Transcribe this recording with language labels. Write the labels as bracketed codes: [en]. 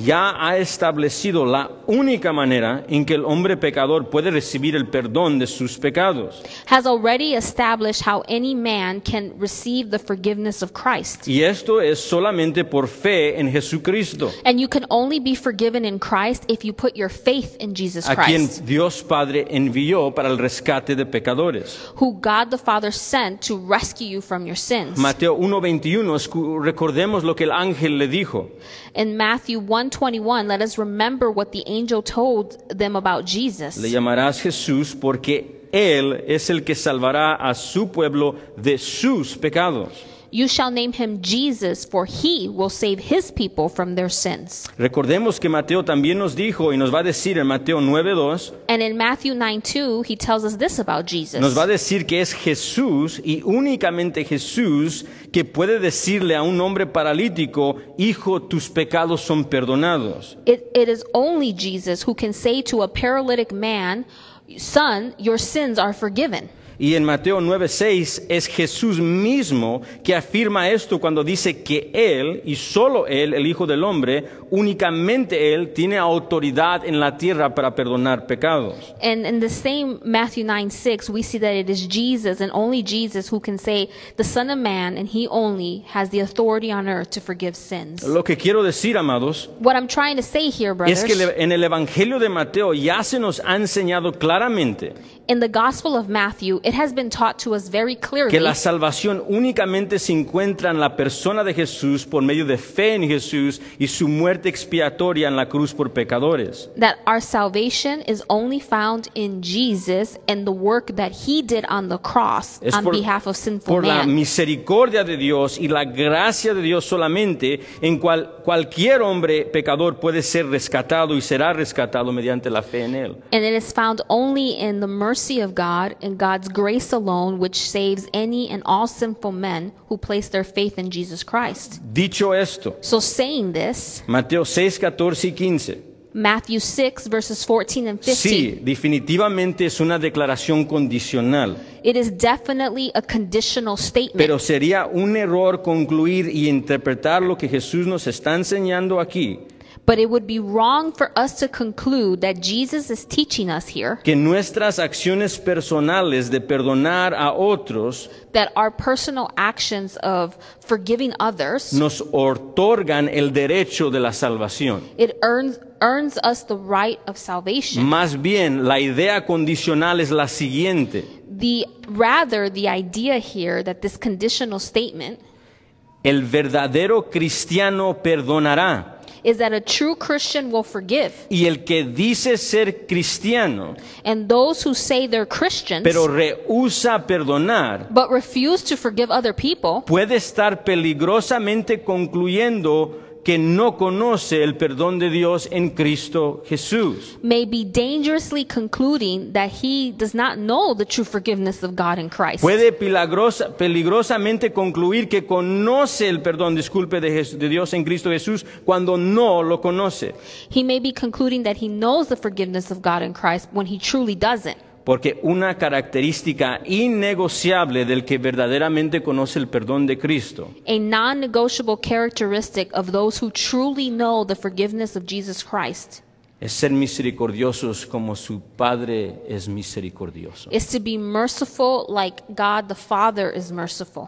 [es] ya ha establecido la única manera en que el hombre pecador puede recibir el perdón de sus pecados. [en] Has already established how any man can receive the forgiveness of Christ. [es] Y esto es solamente por fe en Jesucristo. [en] And you can only be forgiven in Christ if you put your faith in Jesus Christ. [es] A quien Dios Padre envió para el rescate de pecadores. [en] Who God the Father sent to rescue you from your sins. [es] Mateo 1:21, recordemos recordemos lo que el ángel le dijo. [en] In Matthew 1:21, let us remember what the angel told them about Jesus. [es] Le llamarás Jesús porque él es el que salvará a su pueblo de sus pecados. [en] You shall name him Jesus, for he will save his people from their sins. [es] Recordemos que Mateo también nos dijo y nos va a decir en Mateo 9:2. [en] And in Matthew 9:2, he tells us this about Jesus. [es] Nos va a decir que es Jesús y únicamente Jesús que puede decirle a un hombre paralítico, hijo, tus pecados son perdonados. [en] It is only Jesus who can say to a paralytic man, son, your sins are forgiven. [es] Y en Mateo 9:6 es Jesús mismo que afirma esto cuando dice que Él, y solo Él, el Hijo del Hombre, únicamente Él, tiene autoridad en la tierra para perdonar pecados. [en] And in the same Matthew 9:6, we see that it is Jesus and only Jesus who can say, the Son of Man, and He only has the authority on earth to forgive sins. [es] Lo que quiero decir, amados, [en] what I'm trying to say here, brothers, [es] es que en el Evangelio de Mateo ya se nos ha enseñado claramente. [en] In the Gospel of Matthew, it has been taught to us very clearly [es] que la salvación únicamente se encuentra en la persona de Jesús por medio de fe en Jesús y su muerte expiatoria en la cruz por pecadores. [en] That our salvation is only found in Jesus and the work that he did on the cross [es] es [en] on behalf of sinful [es] por [en] man. [es] La misericordia de Dios y la gracia de Dios solamente en cual cualquier hombre pecador puede ser rescatado y será rescatado mediante la fe en él. [en] And it is found only in the mercy of God and God's grace alone, which saves any and all sinful men who place their faith in Jesus Christ. [es] Dicho esto, [en] so saying this, [es] Mateo 6:14 y 15. [en] Matthew 6 verses 14 and 15. [es] Sí, definitivamente es una declaración condicional. [en] It is definitely a conditional statement. [es] Pero sería un error concluir y interpretar lo que Jesús nos está enseñando aquí. [en] But it would be wrong for us to conclude that Jesus is teaching us here [es] que nuestras acciones personales de perdonar a otros [en] that our personal actions of forgiving others [es] nos otorgan el derecho de la salvación. [en] It earns us the right of salvation. [es] Más bien, la idea condicional es la siguiente. [en] The idea here that this conditional statement [es] el verdadero cristiano perdonará [en] is that a true Christian will forgive. [es] Y el que dice ser cristiano, [en] and those who say they're Christians, [es] pero rehúsa perdonar, [en] but refuse to forgive other people, [es] puede estar peligrosamente concluyendo que no conoce el perdón de Dios en Cristo Jesús. [en] May be dangerously concluding that he does not know the true forgiveness of God in Christ. [es] Puede peligrosamente concluir que conoce el perdón, disculpe, de Dios en Cristo Jesús cuando no lo conoce. [en] He may be concluding that he knows the forgiveness of God in Christ when he truly doesn't. [es] Porque una característica innegociable del que verdaderamente conoce el perdón de Cristo. [en] A non-negotiable characteristic of those who truly know the forgiveness of Jesus Christ. [es] Es ser misericordiosos como su Padre es misericordioso. [en] Is to be merciful like God the Father is merciful.